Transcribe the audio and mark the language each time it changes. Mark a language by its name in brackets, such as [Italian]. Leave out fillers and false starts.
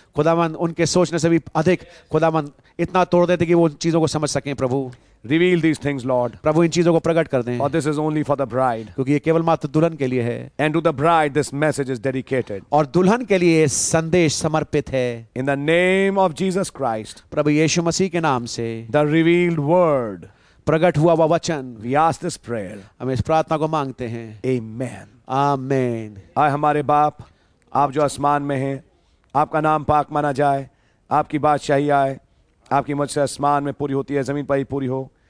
[Hindi] खुदावन उनके सोचने से भी अधिक खुदावन इतना तोड़ देते कि वो चीजों को समझ सकें प्रभु. [English] Reveal these things, Lord. [Hindi] प्रभु इन चीजों को प्रकट कर दें. [English] For this is only for the bride. [Hindi] क्योंकि ये केवल मात्र दुल्हन के लिए है. [English] And to the bride, this message is dedicated. [Hindi] और दुल्हन के लिए संदेश समर्पित है. [English] In the name of Jesus Christ. [Hindi] प्रभु यीशु मसीह के नाम से. [English] The revealed word. [Hindi] प्रकट हुआ वह वचन. [English] We ask this prayer. [Hindi] हम इस प्रार्थना को मांगते हैं. [English] Amen. Amen. [Hindi] आए हमारे बाप आप जो आसमान में हैं, आपका नाम पाक माना जाए, आपकी बादशाही आए, आपकी मर्जी आसमान में पूरी होती है जमीन पर ही पूरी हो.